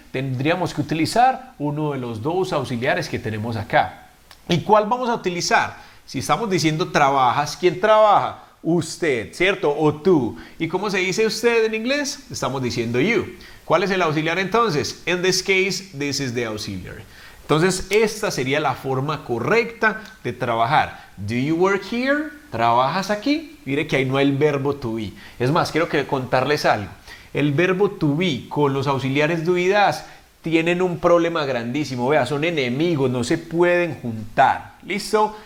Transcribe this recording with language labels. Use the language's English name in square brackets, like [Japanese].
[Spanish] Tendríamos que utilizar uno de los dos auxiliares que tenemos acá. ¿Y cuál vamos a utilizar? Si estamos diciendo trabajas, ¿quién trabaja? Usted, ¿cierto? O tú. ¿Y cómo se dice usted en inglés? Estamos diciendo you. ¿Cuál es el auxiliar entonces? [English] In this case, this is the auxiliary. [Spanish] Entonces, esta sería la forma correcta de trabajar. [English] Do you work here? [Spanish] ¿Trabajas aquí? Mire que ahí no hay el verbo to be. Es más, quiero contarles algo. El verbo to be con los auxiliares do y das tienen un problema grandísimo. Vea, son enemigos, no se pueden juntar. ¿Listo?